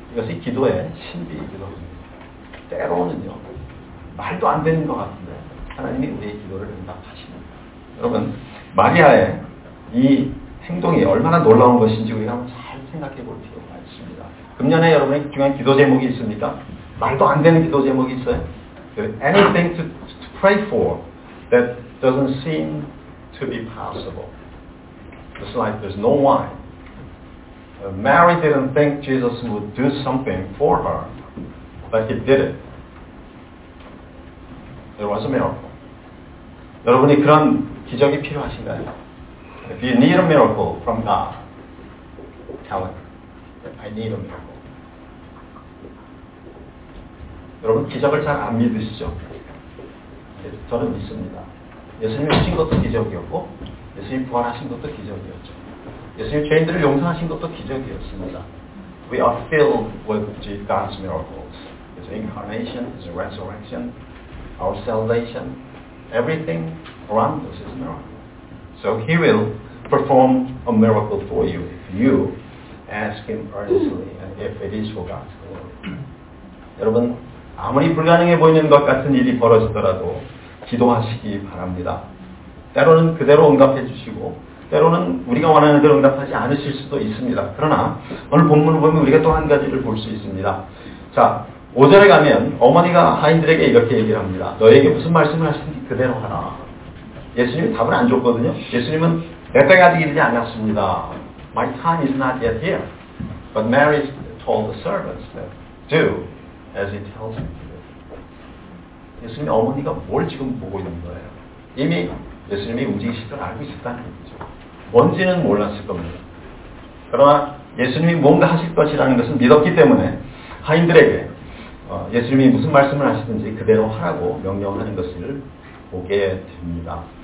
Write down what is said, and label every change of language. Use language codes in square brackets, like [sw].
[ko] 이것이 기도의 신비이기도 합니다. 때로는요, 말도 안 되는 것 같은데 하나님이 우리의 기도를 응답하십니다. 여러분, 마리아의 이 행동이 얼마나 놀라운 것인지 우리가 한번 잘 생각해 볼 필요가 있습니다. 금년에 여러분의 중요한 기도 제목이 있습니까? 말도 안 되는 기도 제목이 있어요? [en] Anything to pray for that doesn't seem to be possible. Just like there's no why. Mary didn't think Jesus would do something for her, but he did it. There was a miracle. [ko] 여러분이 그런 기적이 필요하신가요? [en] If you need a miracle from God, [ko] 자원. [en] I need a miracle. [ko] 여러분 기적을 잘 안 믿으시죠? 저는 믿습니다. 예수님이 오신 것도 기적이었고 예수님이 부활하신 것도 기적이었죠. 예수님이 죄인들을 용서하신 것도 기적이었습니다. [en] We are filled with God's miracles. His incarnation, His resurrection, our salvation, everything around us is a miracle. So He will perform a miracle for you if you ask Him earnestly and if it is for God's glory. [ko] 여러분 아무리 불가능해 보이는 것 같은 일이 벌어지더라도 기도하시기 바랍니다. 때로는 그대로 응답해 주시고 때로는 우리가 원하는 대로 응답하지 않으실 수도 있습니다. 그러나 오늘 본문을 보면 우리가 또 한 가지를 볼 수 있습니다. 자, 5절에 가면 어머니가 하인들에게 이렇게 얘기를 합니다. 너에게 무슨 말씀을 하시는지 그대로 하라. 예수님이 답을 안 줬거든요. 예수님은 내 때가 아직 이르지 않았습니다. [en] My time is not yet here. But Mary told the servants that do as he tells me to do. [ko] 예수님의 어머니가 뭘 지금 보고 있는 거예요? 이미 예수님이 움직이실 걸 알고 있었다는 얘기죠. 뭔지는 몰랐을 겁니다. 그러나 예수님이 뭔가 하실 것이라는 것은 믿었기 때문에 하인들에게 예수님이 무슨 말씀을 하시든지 그대로 하라고 명령하는 것을 보게 됩니다.